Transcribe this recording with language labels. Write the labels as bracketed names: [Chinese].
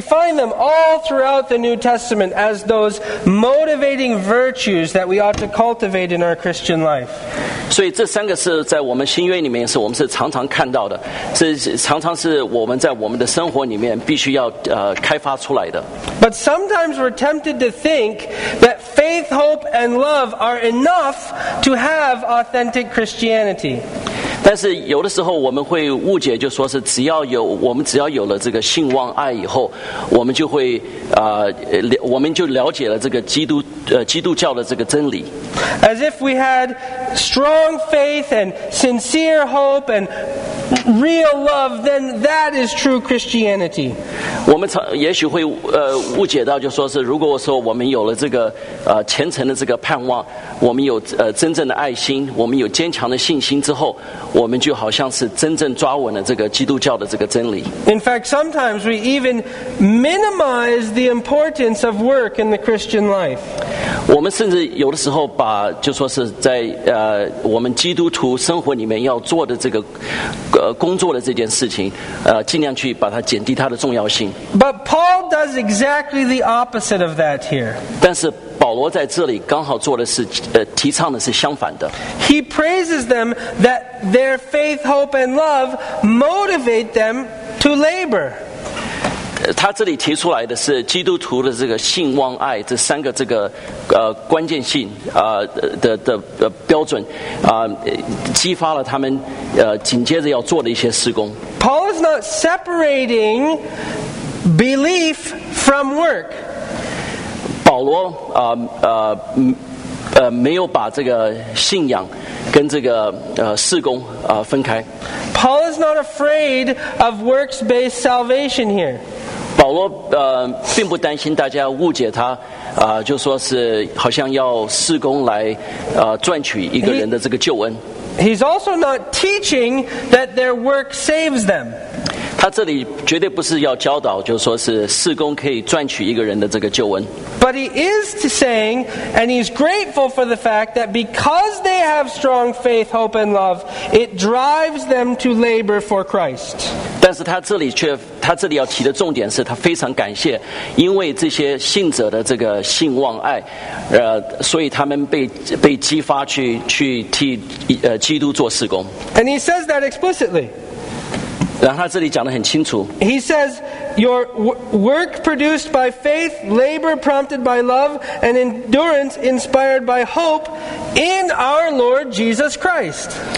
[English] find them all throughout the New Testament as those motivating virtues that we ought to cultivate in our Christian life. [Chinese] 所以这三个是在我们新约里面是我们是常常看到的，是常常是我们在我们的生活里面必须要开发出来的。 [English] But sometimes we're tempted to think that faith, hope, and love are enough to have authentic Christianity. [Chinese] 但是有的时候我们会误解，就说是只要有我们只要有了这个信望爱以后，我们就会了解了这个基督教的这个真理。 [English] As if we had strong faith and sincere hope and real love, then that is true Christianity. [Chinese] 我们也许会误解到，就说是如果说我们有了这个虔诚的这个盼望，我们有真正的爱心，我们有坚强的信心之后。我们就好像是真正抓稳了这个基督教的这个真理。 [English] In fact, sometimes we even minimize the importance of work in the Christian life. [Chinese] 我们甚至有的时候把就说是在我们基督徒生活里面要做的这个工作的这件事情尽量去把它减低它的重要性。 [English] But Paul does exactly the opposite of that here. [Chinese] 但是保罗在这里刚好做的是提倡的是相反的。 [English] He praises them that their faith, hope, and love motivate them to labor. [Chinese] 他这里提出来的是基督徒的这个信望爱这三个这个关键性的标准激发了他们紧接着要做的一些事工。 [English] Paul is not separating belief from work. [Chinese] 保罗没有把这个信仰跟这个事工分开。 [English] Paul is not afraid of works-based salvation here. [Chinese] 保罗并不担心大家误解他就说是好像要事工来赚取一个人的这个救恩。 [English] He's also not teaching that their work saves them. [Chinese] 他这里绝对不是要教导，就是说是事工可以赚取一个人的这个救恩。 [English] But he is saying, and he's grateful for the fact that because they have strong faith, hope, and love, it drives them to labor for Christ. [Chinese] 但是他这里要提的重点是他非常感谢，因为这些信者的这个信望爱，所以他们被激发去替基督做事工。 [English] And he says that explicitly. [Chinese] 然后他这里讲得很清楚。 [English] He says, your work produced by faith, labor prompted by love, and endurance inspired by hope in our Lord Jesus Christ.